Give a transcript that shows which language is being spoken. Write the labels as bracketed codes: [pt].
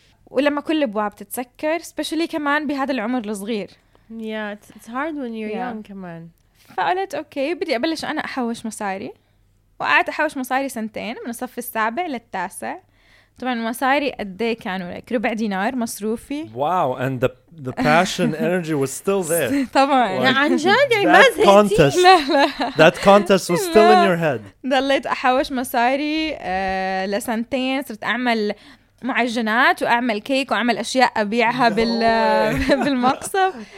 [ar] ولما كل ابواب تتسكر سبيشلي كمان بهذا العمر الصغير. [en] Yeah, it's hard when you're young [ar] كمان. فقلت اوكي بدي ابلش انا احوش مصاري. وقعدت احوش مصاري سنتين من الصف السابع للتاسع. طبعا مصاري قد ايه كانوا لك ربع دينار مصروفي. [en] Wow and the passion energy was still there. [ar] طبعا عن جد يعني ما زهقتي. لا لا [en] that contest was still in your head. [ar] ضليت احوش مصاري لسنتين صرت اعمل معجنات واعمل كيك واعمل اشياء ابيعها بالمقصف.